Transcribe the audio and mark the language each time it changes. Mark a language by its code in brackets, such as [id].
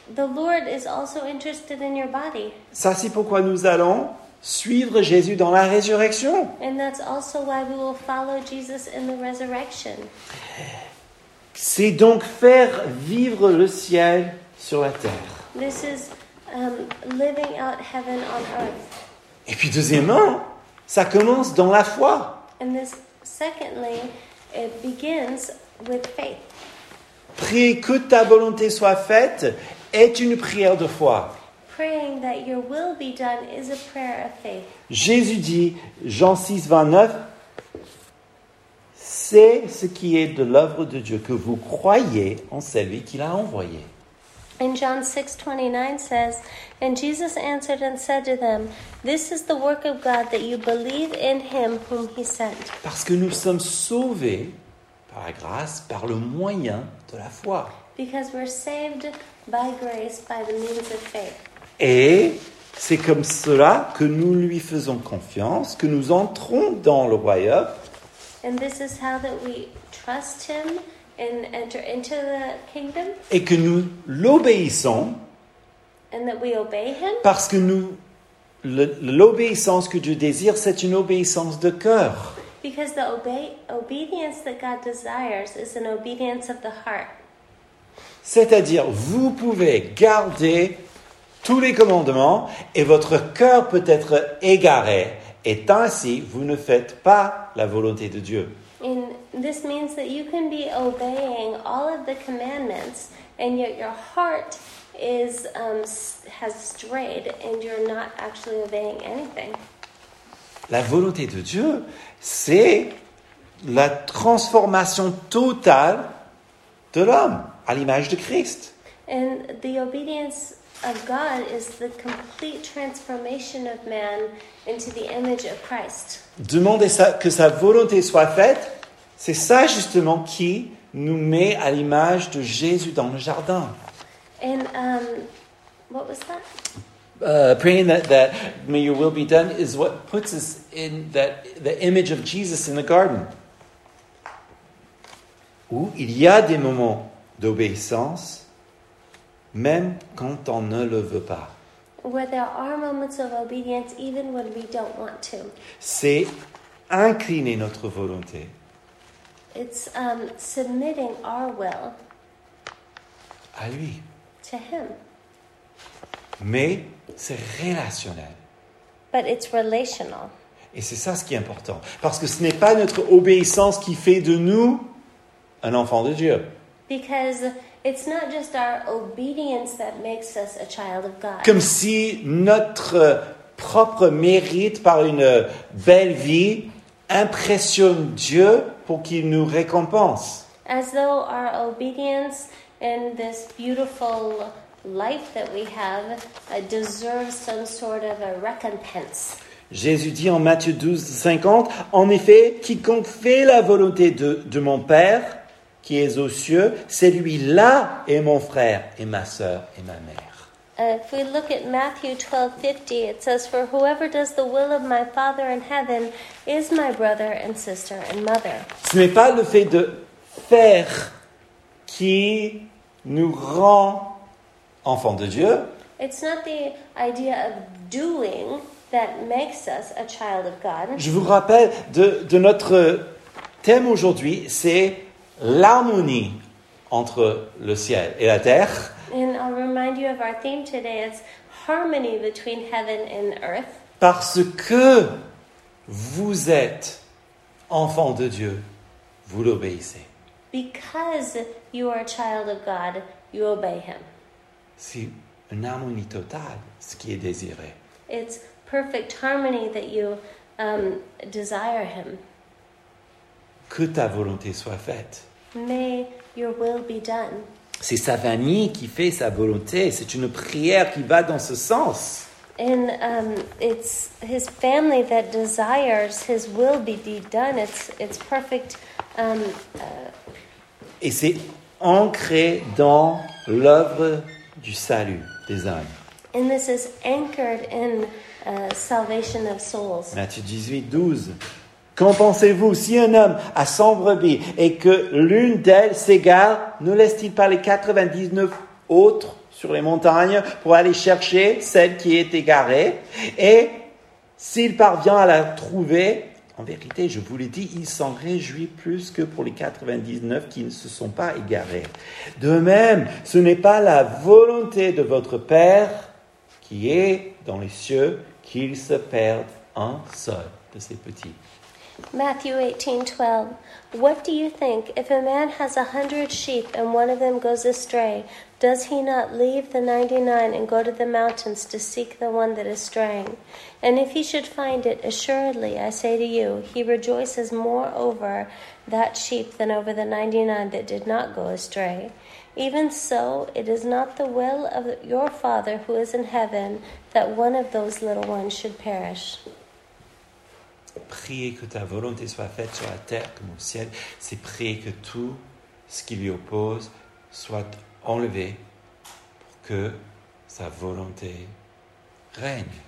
[en] The Lord is also interested in your body. [fr] Ça, c'est pourquoi nous allons suivre Jésus dans la résurrection. [en] And that's also why we will follow Jesus in the resurrection. [fr] C'est donc faire vivre le ciel sur la terre. [en] This is living out heaven on earth. [fr] Et puis deuxièmement, ça commence dans la foi. [en] And this, secondly, it begins with faith. [fr] Prie que ta volonté soit faite est une prière de foi. [en] Praying that your will be done is a prayer of faith. [fr] Jésus dit, Jean 6:29, c'est ce qui est de l'œuvre de Dieu que vous croyez en celui qui l'a envoyé. [en] And John 6:29 says, and Jesus answered and said to them, this is the work of God that you believe in him whom he sent. [fr] Parce que nous sommes sauvés par la grâce, par le moyen de la foi. [en] Because we're saved by grace, by the means of faith. [fr] Et c'est comme cela que nous lui faisons confiance, que nous entrons dans le royaume. [en] And this is how that we trust him and enter into the kingdom. [fr] Et que nous l'obéissons. [en] And that we obey him. [fr] Parce que nous, l'obéissance que Dieu désire, c'est une obéissance de cœur. [en] Because the obedience that God desires is an obedience of the heart. [fr] C'est-à-dire, vous pouvez garder tous les commandements et votre cœur peut être égaré et ainsi vous ne faites pas la volonté de Dieu. [en] And this means that you can be obeying all of the commandments and yet your heart is has strayed and you're not actually obeying anything. [fr] La volonté de Dieu, c'est la transformation totale de l'homme à l'image de Christ. [en] And the obedience of God is the complete transformation of man into the image of Christ. [fr] Demander ça, que sa volonté soit faite, c'est ça justement qui nous met à l'image de Jésus dans le jardin. [en] And what was that? Praying that may your will be done is what puts us in that the image of Jesus in the garden. [fr] Où il y a des moments d'obéissance même quand on ne le veut pas. [en] Where there are moments of obedience, even when we don't want to. [fr] C'est incliner notre volonté. [en] It's submitting our will. [fr] À lui. [en] To him. [fr] Mais c'est relationnel. [en] But it's relational. [fr] Et c'est ça ce qui est important. Parce que ce n'est pas notre obéissance qui fait de nous un enfant de Dieu. [en] Because it's not just our obedience that makes us a child of God. [fr] Comme si notre propre mérite par une belle vie impressionne Dieu pour qu'il nous récompense. [en] As though our obedience and this beautiful life that we have deserves some sort of a recompense. [fr] Jésus dit en Matthieu 12:50, en effet, quiconque fait la volonté de mon Père qui est aux cieux, c'est lui-là et mon frère et ma sœur et ma mère. [en] If we look at Matthew 12:50, it says, for whoever does the will of my Father in heaven is my brother and sister and mother. [fr] Ce n'est pas le fait de faire qui nous rend enfants de Dieu. [en] It's not the idea of doing that makes us a child of God. [fr] Je vous rappelle de notre thème aujourd'hui, c'est l'harmonie entre le ciel et la terre. [en] And I'll remind you of our theme today, it's harmony between heaven and earth. [fr] Parce que vous êtes enfant de Dieu, vous l'obéissez. [en] Because you are a child of God, you obey him. [fr] C'est une harmonie totale, ce qui est désiré. [en] It's perfect harmony that you desire him. [fr] Que ta volonté soit faite. [en] May your will be done. [fr] C'est sa famille qui fait sa volonté. C'est une prière qui va dans ce sens. [en] And it's his family that desires his will be done. It's perfect. [fr] Et c'est ancré dans l'œuvre du salut des âmes. [en] And this is anchored in salvation of souls. [fr] Matthieu 18, 12. Qu'en pensez-vous si un homme a 100 brebis et que l'une d'elles s'égare, ne laisse-t-il pas les 99 autres sur les montagnes pour aller chercher celle qui est égarée? Et s'il parvient à la trouver, en vérité, je vous l'ai dit, il s'en réjouit plus que pour les 99 qui ne se sont pas égarés. De même, ce n'est pas la volonté de votre Père qui est dans les cieux qu'il se perde un seul de ses petits. [en] Matthew 18:12. What do you think? If a man has 100 sheep and one of them goes astray, does he not leave the 99 and go to the mountains to seek the one that is straying? And if he should find it, assuredly, I say to you, he rejoices more over that sheep than over the 99 that did not go astray. Even so, it is not the will of your Father who is in heaven that one of those little ones should perish. [fr] Prier que ta volonté soit faite sur la terre comme au ciel, c'est prier que tout ce qui lui oppose soit enlevé pour que sa volonté règne.